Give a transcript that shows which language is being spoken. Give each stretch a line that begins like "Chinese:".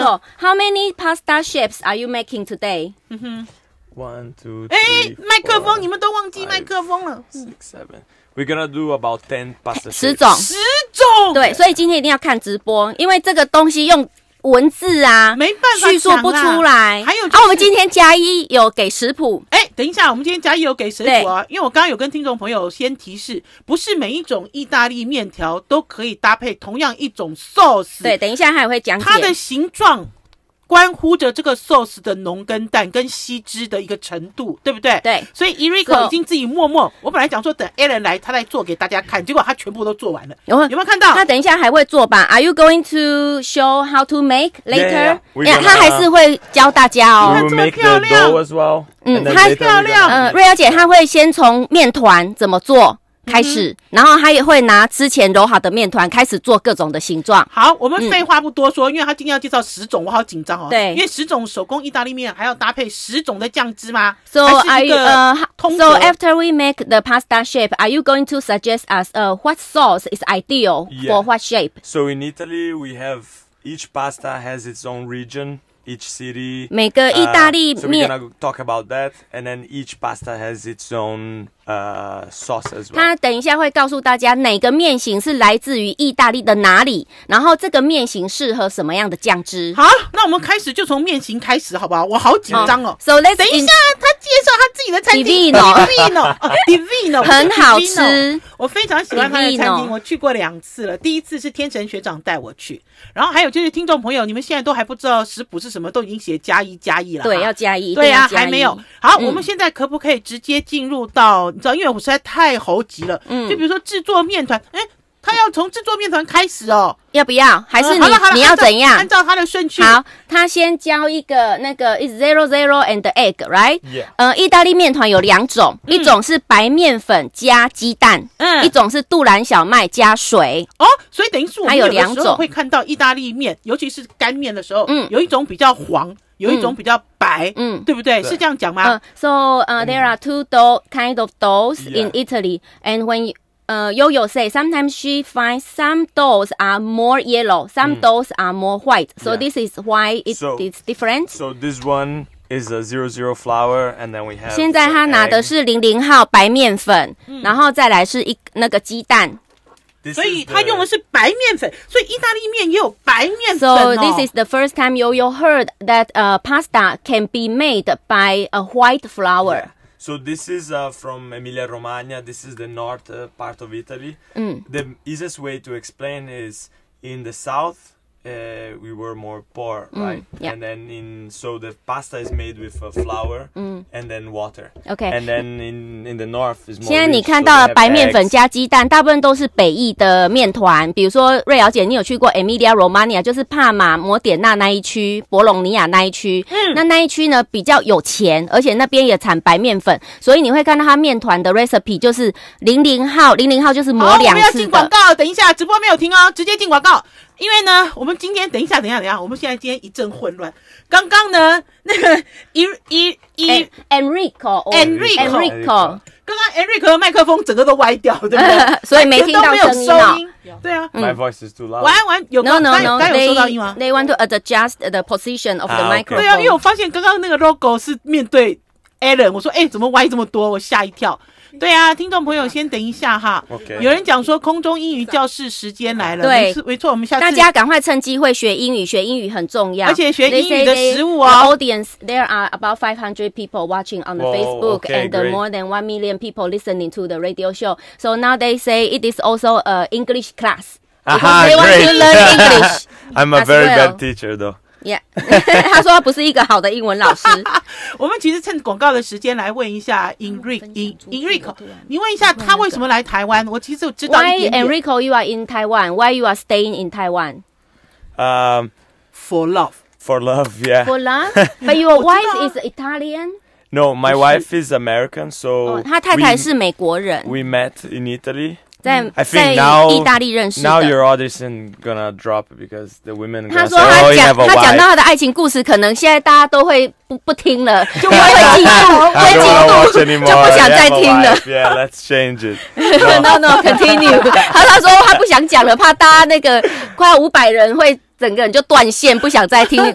English: Enrico， how many pasta shapes are you making today？ 1, 2, 3, 4, 5, 6, 7,
Chinese: 麦克风，你们都忘记麦克风了。
English: 6, 7, 8, 9, 10, we're gonna do about 10 pasta shapes.
Chinese: 10种。对，所以今天一定要看直播，因为这个东西用文字啊，没办法叙述不出来。还有、就是，我们今天嘉一有给食谱。哎、欸，等一下，我们今天嘉一有给食谱啊，因为我刚刚有跟听众朋友先提示，不是每一种意大利面条都可以搭配同样一种 sauce。对，等一下他也会讲解它的形状。关乎着这个 sauce 的浓跟淡跟稀汁的一个程度，对不对？对，所以 Enrico 已经自己默默，我本来讲说等 Alan 来他来做给大家看，结果他全部都做完了。有没有看到？那等一下还会做吧。
English: Are you going to show how to make later？ Yeah, yeah, yeah,
Chinese: 他还是会教大家哦。你看这么漂亮。
English: as well,
Chinese: 他漂亮。瑞瑶姐他会先从面团怎么做开始，然后他也会拿之前揉好的面团开始做各种的形状。好，我们废话不多说，因为他今天要介绍十种，我好紧张哦。对，因为十种手工意大利面还要搭配十种的酱汁吗
English: ？So are you, so after we make the pasta shape, are you going to suggest us what sauce is ideal for what shape? So in Italy, we have each pasta has its own region, each city.
Chinese: 每个意大利面。
English: So we're gonna talk about that, and then each pasta has its own. Sauce as well.
Chinese: 他等一下会告诉大家哪个面型是来自于意大利的哪里，然后这个面型适合什么样的酱汁。好，那我们开始就从面型开始，好不好？我好紧张哦。
English: So let's
Chinese: 等一下，他介绍他自己的餐厅。 Divino， 很好吃。我非常喜欢他的餐厅，我去过两次了。第一次是天神学长带我去，然后还有就是听众朋友，你们现在都还不知道食谱是什么，都已经写加一加一了。对，要加一。对啊，还没有。好，我们现在可不可以直接进入到？你知道，因为我实在太猴急了。就比如说制作面团，他要从制作面团开始哦。要不要？还是你你要怎样？按照他的顺序。好，他先教一个那个
English: zero and the egg， right？ Yeah.
Chinese: 意大利面团有两种，一种是白面粉加鸡蛋，一种是杜兰小麦加水。哦，所以等于是我们有的时候会看到意大利面，尤其是干面的时候，有一种比较黄。有一种比较白，对不对？是这样讲吗？
English: So, there are two dough kind of doughs in Italy, and when Yoyo say sometimes she finds some doughs are more yellow, some doughs are more white. So this is why it's different. So this one is a 00 flour, and then we have.
Chinese: 现在他拿的是00号白面粉，然后再来是一那个鸡蛋。所以他用的是白面粉，所以意大利面也有白面粉哦。
English: So this is the first time Yoyo heard that pasta can be made by a white flour. Yeah. So this is from Emilia Romagna. This is the north part of Italy. Mm. The easiest way to explain is in the south, we were more poor, right? Yeah. And then in, so the pasta is made with flour and then water. Okay. And then in the north is more.
Chinese: 现在你看到了白面粉加鸡蛋，大部分都是北意的面团。比如说瑞瑶姐，你有去过 Emilia Romagna， 就是帕马摩典纳那一区、博隆尼亚那一区。嗯。那一区呢比较有钱，而且那边也产白面粉，所以你会看到它面团的 recipe 就是00号就是磨两次的。好，我们要进广告，等一下直播没有停哦，直接进广告。因为呢，我们今天等一下，我们现在今天一阵混乱。刚刚呢，那个 Enrico，刚刚 Enrico 的麦克风整个都歪掉，对不对？所以没听到声音。对啊
English: ，My voice is too loud。
Chinese: 玩，有刚刚有收到音吗
English: ？They want to adjust the position of the microphone。
Chinese: 对啊，因为我发现刚刚那个 logo 是面对 Alan， 我说哎，怎么歪这么多？我吓一跳。对啊，听众朋友先等一下哈。
English: Okay.
Chinese: 有人讲说空中英语教室时间来了。对，没错，我们下次大家赶快趁机会学英语，学英语很重要。而且学英语的食物哦。
English: The audience, there are about 500 people watching on the Facebook Whoa, okay, and more than 1 million people listening to the radio show. So now they say it is also a English class. They want to learn English. I'm a very bad teacher though. Yeah.
Chinese: 他说他不是一个好的英文老师。我们其实趁广告的时间来问一下 Enrico， 你问一下他为什么来台湾？我其实知道一点点。
English: Why Enrico you are in Taiwan? Why you are staying in Taiwan? For love. For love, yeah. For love? But your wife is Italian? No, my wife is American, so...
Chinese: 他太太是美国人。
English: We met in Italy.
Chinese: 在意大利认识的。
English: Now your audition gonna drop because the women.
Chinese: 他说他讲、 oh, 他讲到他的爱情故事，可能现在大家都会不听了，就会嫉妒，会嫉妒，就不想再听了。
English: Yeah, let's change it. No, continue.
Chinese: 他说他不想讲了，怕大家那个快要500人会整个人就断线，不想再听。